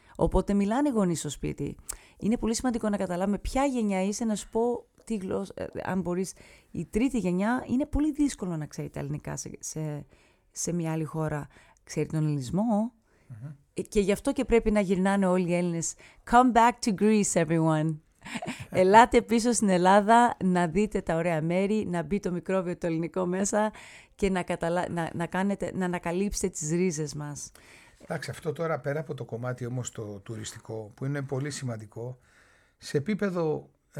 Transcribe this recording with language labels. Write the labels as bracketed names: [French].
[Greek] Οπότε μιλάνε γονείς στο σπίτι. Είναι πολύ σημαντικό να καταλάβουμε ποια γενιά είσαι, να σου πω τι γλώσσα. Αν μπορείς. Η τρίτη γενιά είναι πολύ δύσκολο να ξέρει τα ελληνικά σε μια άλλη χώρα. Ξέρει τον ελληνισμό. Και γι' αυτό και πρέπει να γυρνάνε όλοι οι Έλληνες. [English] Come back to Greece, everyone. [Greek] Ελάτε πίσω στην Ελλάδα να δείτε τα ωραία μέρη, να μπει το μικρόβιο το ελληνικό μέσα και να ανακαλύψετε τις ρίζες μας. Εντάξει, αυτό τώρα πέρα από το κομμάτι όμως το τουριστικό, που είναι πολύ σημαντικό, σε επίπεδο